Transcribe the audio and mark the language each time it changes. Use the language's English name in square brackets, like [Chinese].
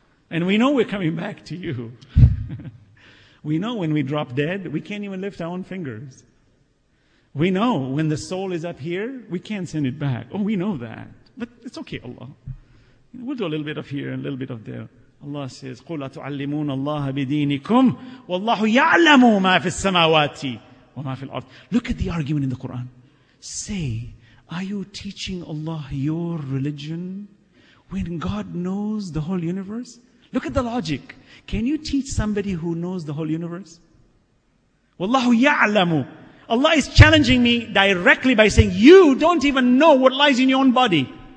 [English] And we know we're coming back to you. We know when we drop dead, we can't even lift our own fingers. We know when the soul is up here, we can't send it back. Oh, we know that. But it's okay, Allah. We'll do a little bit of here and a little bit of there. Allah says, [Arabic] قُلْ أَتُعَلِّمُونَ اللَّهَ بِدِينِكُمْ وَاللَّهُ يَعْلَمُ مَا فِي السَّمَاوَاتِ وَمَا فِي الْأَرْضِ. [English] Look at the argument in the Quran. Say, are you teaching Allah your religion when God knows the whole universe? Look at the logic. Can you teach somebody who knows the whole universe? [Arabic] وَاللَّهُ يَعْلَمُ. [English] Allah is challenging me directly by saying, you don't even know what lies in your own body.